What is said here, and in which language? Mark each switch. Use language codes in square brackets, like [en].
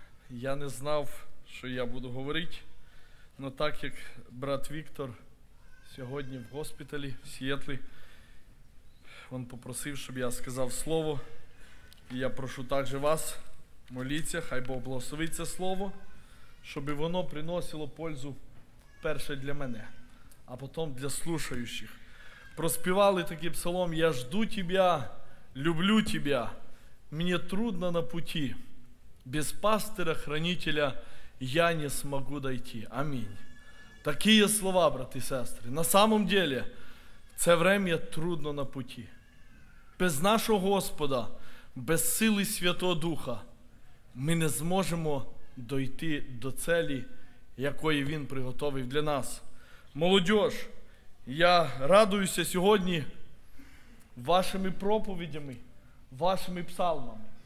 [uk] Я не знав, що я буду говорити, але так як брат Віктор сьогодні в госпіталі, в Сіетлі, він попросив, щоб я сказав слово, і я прошу також вас моліться, хай Бог благословить це слово, щоб воно приносило пользу перше для мене, а потім для слушаючих. Проспівали такий псалом: [ru] «Я жду тебя, люблю тебя, мне трудно на пути, без пастыря-хранителя я не смогу дойти». [uk] Амінь. Такі є слова, брати і сестри. [ru] На самом деле, це время трудно на пути. [uk] Без нашого Господа, без сили Святого Духа, ми не зможемо дойти до цілі, якої Він приготовив для нас. Молодежь, я радуюся сьогодні вашими проповідями, вашими псалмами.